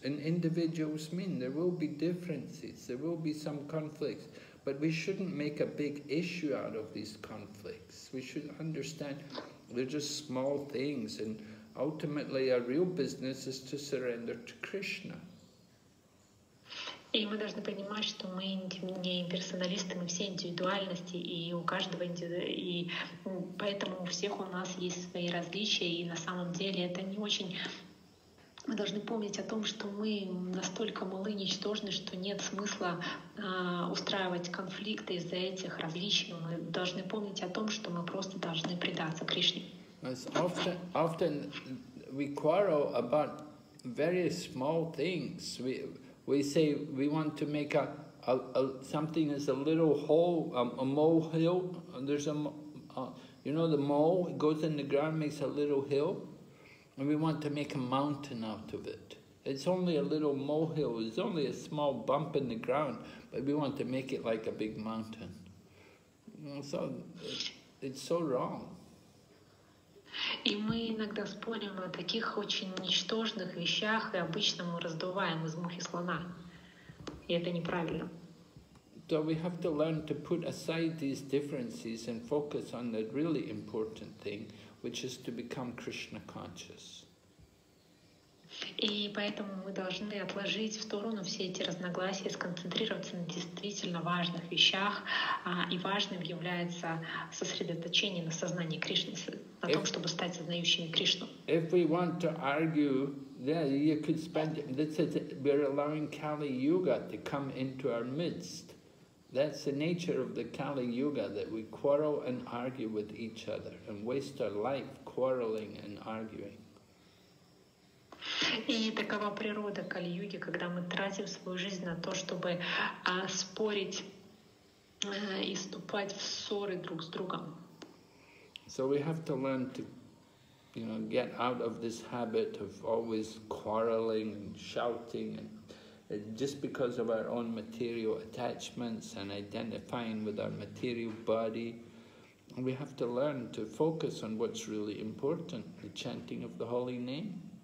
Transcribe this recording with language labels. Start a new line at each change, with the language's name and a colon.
English: And individuals mean there will be differences, there will be some conflicts, but we shouldn't make a big issue out of these conflicts. We should understand they're just small things, and ultimately our real business is to surrender to Krishna.
Russian: И мы должны понимать, что мы не персоналисты, мы все индивидуальности, и у каждого и поэтому у всех у нас есть свои различия, и на самом деле это не очень. Мы должны помнить о том, что мы настолько малы, ничтожны, что нет смысла устраивать конфликты из-за этих различий. Мы должны помнить о том, что мы просто должны предаться Кришне.
English: Often we quarrel about very small things. We say we want to make a something that's a little hole, a molehill. There's you know, the mole, it goes in the ground, makes a little hill, and we want to make a mountain out of it. It's only a little molehill, it's only a small bump in the ground, but we want to make it like a big mountain. So it's so wrong.
Russian: И мы иногда спорим о таких очень ничтожных вещах, и обычно мы раздуваем из мухи слона. И это неправильно.
English: So we have to learn to put aside these differences and focus on the really important thing, which is to become Krishna conscious.
Russian: И поэтому мы должны отложить в сторону все эти разногласия, сконцентрироваться на действительно важных вещах, и важным является сосредоточение на сознании Кришны, на том, чтобы стать сознающими Кришну.
English: If we want to argue, then you could spend, that's it, we're allowing Kali Yuga to come into our midst. That's the nature of the Kali Yuga, that we quarrel and argue with each other and waste our life quarreling and arguing.
Russian: И такова природа Кали-юги, когда мы тратим свою жизнь на то, чтобы спорить и вступать в ссоры друг с другом.
English: So we have to learn to, you know, get out of this habit of always quarreling and shouting, and just because of our own material attachments and identifying with our material body. We have to learn to focus on what's really important, the chanting of the holy name.